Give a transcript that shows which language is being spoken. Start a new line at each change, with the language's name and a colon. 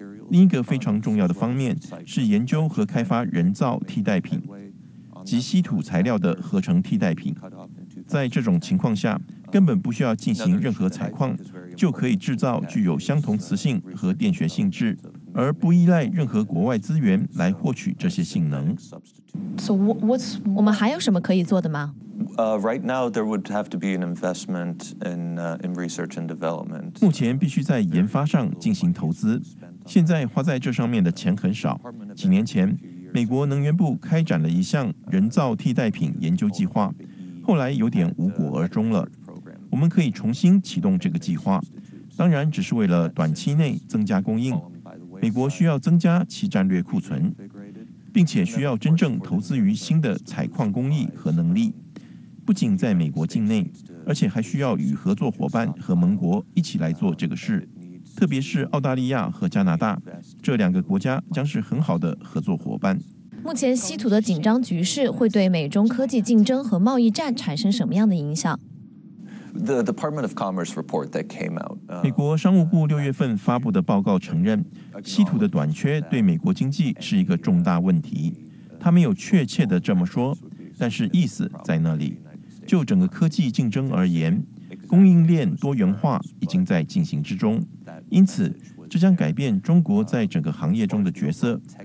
Chinese: 另一个非常重要的方面是研究和开发人造替代品及稀土材料的合成替代品，在这种情况下根本不需要进行任何采矿，就可以制造具有相同磁性和电学性质，而不依赖任何国外资源来获取这些性能。 So what's 我们还有什么可以做的吗？
English: Right now there would have to be an investment in research and development.
Chinese: 目前必须在研发上进行投资，现在花在这上面的钱很少。几年前，美国能源部开展了一项人造替代品研究计划，后来有点无果而终了。我们可以重新启动这个计划，当然只是为了短期内增加供应。美国需要增加其战略库存，并且需要真正投资于新的采矿工艺和能力，不仅在美国境内，而且还需要与合作伙伴和盟国一起来做这个事，特别是澳大利亚和加拿大，这两个国家将是很好的合作伙伴。目前稀土的紧张局势会对美中科技竞争和贸易战产生什么样的影响？
English: The Department of Commerce report that came out.
Chinese: 美国商务部6月份发布的报告承认，稀土的短缺对美国经济是一个重大问题。他没有确切的这么说，但是意思在那里。就整个科技竞争而言，供应链多元化已经在进行之中，因此这将改变中国在整个行业中的角色。